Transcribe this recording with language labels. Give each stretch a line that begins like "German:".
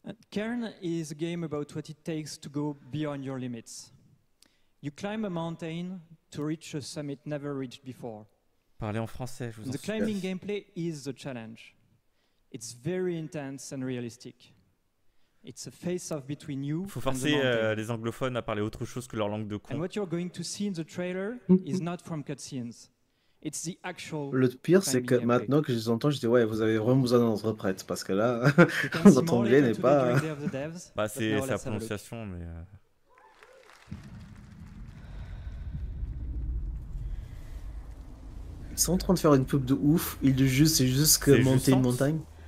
English: Cairn is a game about what it takes to go beyond your limits. You climb a mountain to reach a summit never reached before.
French: Parlez en français, je vous en
English: The climbing suis. Gameplay is the challenge. It's very intense and realistic. It's a face-off between you and the mountain.
French: Faut forcer les anglophones à parler autre chose que leur langue de con.
English: And what you're going to see in the trailer is not from cutscenes. It's the actual.
French: Le pire, c'est que maintenant que je les entends, je dis ouais, vous avez vraiment besoin d'un interprète parce que là, on entend bien, n'est pas. Bah, c'est la prononciation, mais. Ils sont en train de faire une pub de ouf. Ils disent juste, c'est juste que monter une montagne.